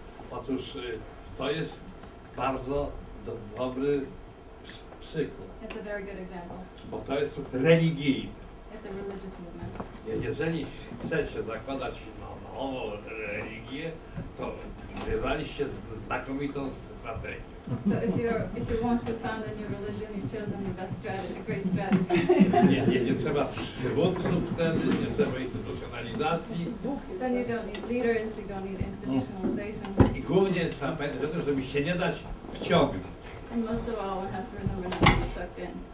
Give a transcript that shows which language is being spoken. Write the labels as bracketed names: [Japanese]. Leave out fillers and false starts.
[Polish] Otóż to jest bardzo dobry przykład. [English] It's a very good example. [Polish] Bo to jest religijne. [English] It's a religious movement. [Polish] Jeżeli chcecie zakładać nową religię, to wybraliście znakomitą strategię. [English] So if you want to found a new religion, you've chosen the best strategy, a great strategy. [Polish] Nie trzeba przywódców wtedy, nie trzeba instytucjonalizacji. [English] Then you don't need leaders, you don't need institutionalization. [Polish] I głównie trzeba pamiętać o tym, żeby się nie dać wciągnąć. [English] And most of all, one has to remember not to be sucked in.